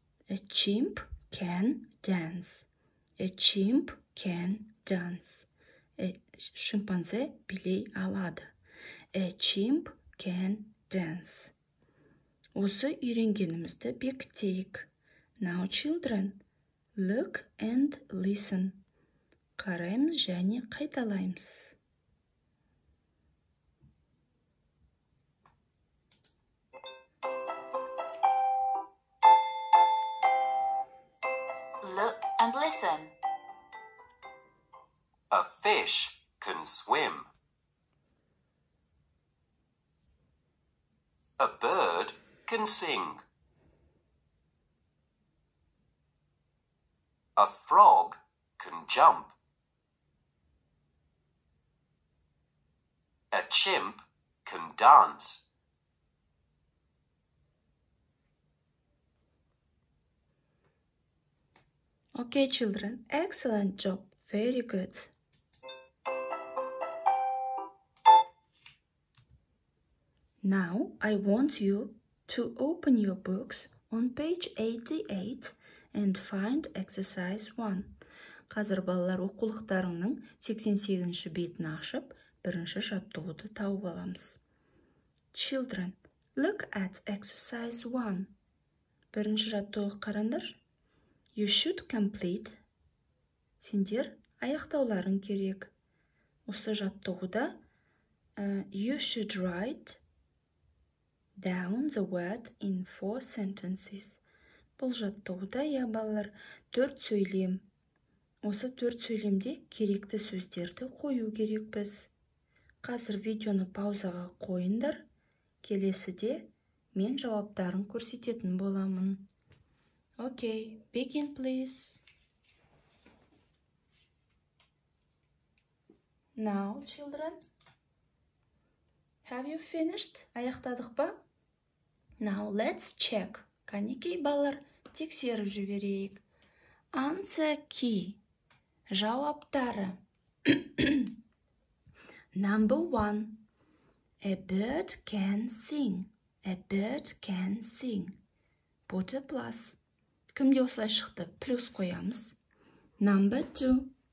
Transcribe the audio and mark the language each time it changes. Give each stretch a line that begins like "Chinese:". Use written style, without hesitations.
English: A chimp can dance. A chimp can dance.
Kazakh: Шимпанзе билей алады.
English: A chimp can dance.
Kazakh: Осы үйренгенімізді бекітейік.
English: Now, children, look and listen.
Kazakh: Қараймыз және қайталаймыз.
English: Look and listen. A fish can swim. A bird can sing. A frog can jump. A chimp can dance. Okay, children. Excellent job. Very good. Now, I want you to open your books on page 88 and find exercise 1.
Kazakh: Қазір балалар оқулықтарыңның 88-ші бетін ашып, бірінші жаттығуды тауып аламыз.
English: Children, look at exercise 1.
Kazakh: Бірінші жаттығу қараңдар.
English: You should complete.
Kazakh: Сендер аяқтауларың керек. Осы жаттығуда
English: you should write down the word in 4 sentences.
Kazakh: Бұл жаттығуда, я балалар, 4 сөйлем. Осы 4 сөйлемде керекті сөздерді қою керекпіз. Қазір видеоны паузаға қойыңдар. Келесіде мен жауаптарын көрсететін боламын.
English: Okay, begin please. Now, children, have you finished?
Kazakh: Аяқтадық ба?
English: Now, let's check.
Kazakh: Қанекей балар, тексеріп жіберейік.
English: Answer key.
Kazakh: Жауаптары.
English: Number one. A bird can sing. A bird can sing. Put a plus.
Kazakh: Кімде осылай шықты? Плюс қоямыз.
English: Number two.